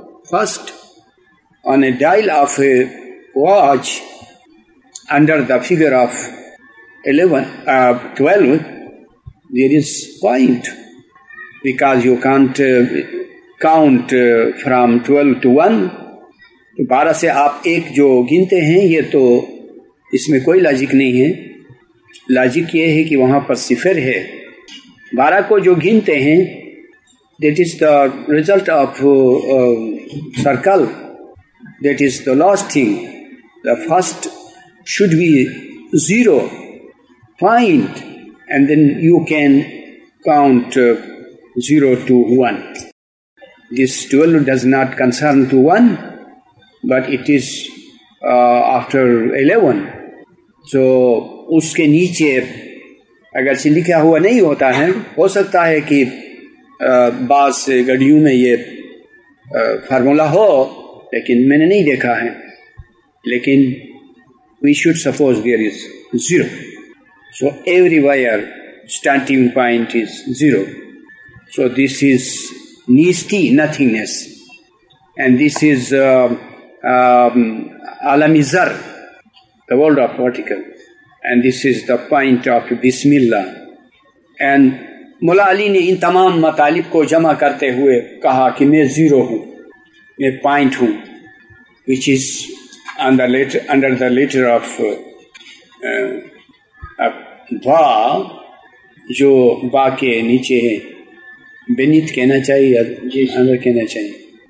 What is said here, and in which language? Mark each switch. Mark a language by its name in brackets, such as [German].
[English] First on a dial of a watch under the figure of 12 there is point, because you can't count from 12 to 1. [Urdu] 12 سے آپ ایک جو گنتے ہیں یہ تو اس میں کوئی لاجک نہیں ہے. لاجک یہ ہے کہ وہاں پر صفر ہے. 12 کو جو گنتے ہیں [English] That is the result of circle, that is the last thing. The first should be 0 point, and then you can count 0 to 1. This 12 does not concern to 1, but it is after 11. [Urdu] سو اس کے نیچے اگر سے لکھا ہوا نہیں ہوتا ہے, ہو سکتا ہے کہ بعض گڑیوں میں یہ فارمولا ہو, لیکن میں نے نہیں دیکھا ہے. [English] لیکن we should suppose there is 0. So everywhere starting point is 0. So this is نیستی, nothingness, and this is عالم زر, the world of article, and this is the point of بسم اللہ. [Urdu] اینڈ مولا علی نے ان تمام مطالب کو جمع کرتے ہوئے کہا کہ میں 0 ہوں, میں پوائنٹ ہوں, [English] which is under the letter of با, [Urdu] جو با کے نیچے ہے, بینیت کہنا چاہیے یا اندر کہنا چاہیے.